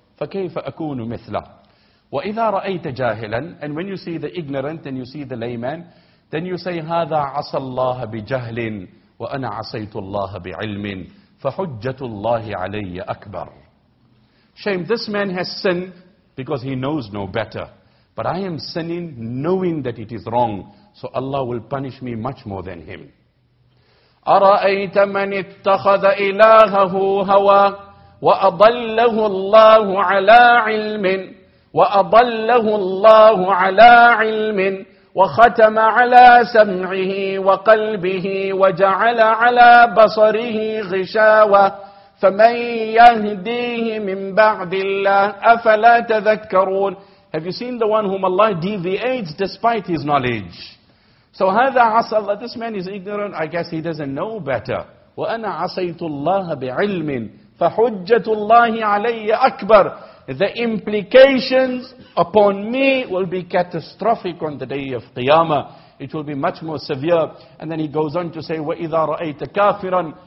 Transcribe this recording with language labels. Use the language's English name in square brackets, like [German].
[Arabic] فَكَيْفَ أَكُونُ مِثْلَهُ وَإِذَا رَأَيْتَ جَاهِلًا [English] And when you see the ignorant and you see the layman, then you say, [Arabic] هَذَا عَصَى اللَّهَ بِجَهْلٍ وَأَنَا عَصَيْتُ اللَّهَ بِعِلْمٍ فَحُجَّةُ اللَّهِ عَلَيَّ أَكْبَرُ [English] Shame, this man has sinned because he knows no better. But I am sinning knowing that it is wrong. So Allah will punish me much more than him. [Arabic] أَرَأَيْتَ مَنِ اتَّخَذَ إِلَاهَهُ هَوَى وَأَضَلَّهُ اللَّهُ عَلَى عِلْمٍ وَأَضَلَّهُ اللَّهُ عَلَى عِلْمٍ وَخَتَمَ عَلَى سَمْعِهِ وَقَلْبِهِ وَجَعَلَ عَلَى بَصَرِهِ غِشَاوَةً فَمَنْ يَهْدِيهِ مِنْ بَعْدِ اللَّهِ أَفَلَا تَذَكَّرُونَ [English] Have you seen the one whom Allah deviates despite his knowledge? So [Arabic] هَذَا عَصَى اللَّهِ. [English] This man is ignorant. I guess he doesn't know better. [Arabic] وَأَنَا عَصَيْتُ اللَّهَ بِعِلْمٍ فَحُجَّةُ اللَّهِ عَلَيَّ أَكْبَرٍ. [English] The implications upon me will be catastrophic on the day of Qiyamah. It will be much more severe. And then he goes on to say, [Arabic] وَإِذَا رَأَيْتَ كَافِرًا.